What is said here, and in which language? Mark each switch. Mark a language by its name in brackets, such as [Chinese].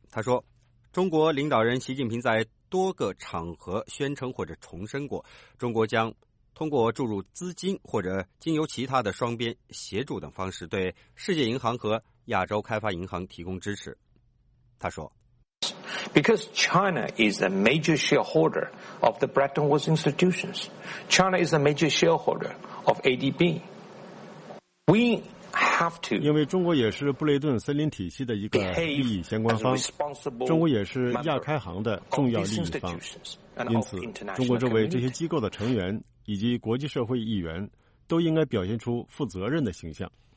[Chinese] 他说，中国领导人习近平在多个场合宣称或者重申过，中国将通过注入资金或者经由其他的双边协助等方式对世界银行和亚洲开发银行提供支持。他说， [English] Because China is a major shareholder of the Bretton Woods institutions. China is a major shareholder of ADB. We have to. [Chinese] 因为中国也是布雷顿森林体系的一个利益相关方，中国也是亚开行的重要利益方，因此中国作为这些机构的成员以及国际社会议员都应该表现出负责任的形象。